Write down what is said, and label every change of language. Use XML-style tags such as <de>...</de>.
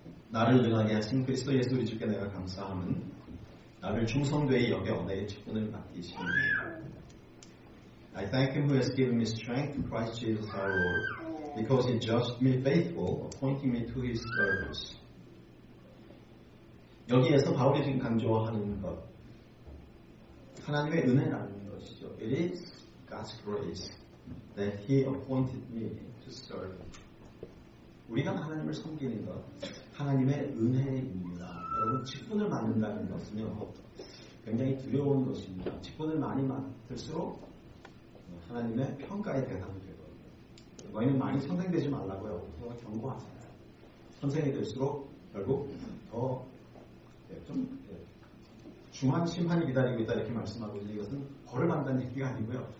<ko>나를 능하게 하신 그리스도 예수 우리 주께 내가 감사함은 나를 충성되이 여겨 내 직분을 맡기시니</ko> <en>I thank him who has given me strength to Christ Jesus our Lord, because he judged me faithful, appointing me to his service.</en> <ko>여기에서 바울이 지금 강조하는 것, 하나님의 은혜라는 것이죠.</ko> <en>It is God's grace that he appointed me to serve.</en> <ko>우리가 하나님을 섬기는 것, 하나님의 은혜입니다. 여러분, 직분을 맡는다는 것은요, 굉장히 두려운 것입니다. 직분을 많이 맡을수록 하나님의 평가의 대상이 되거든요. 너희는 많이 선생되지 말라고요. 그래서 경고하잖아요. 선생이 될수록 결국 더 좀 중한 심판이 기다리고 있다 이렇게 말씀하고 있는데 이것은 벌을 받는다는 얘기가 아니고요.</ko>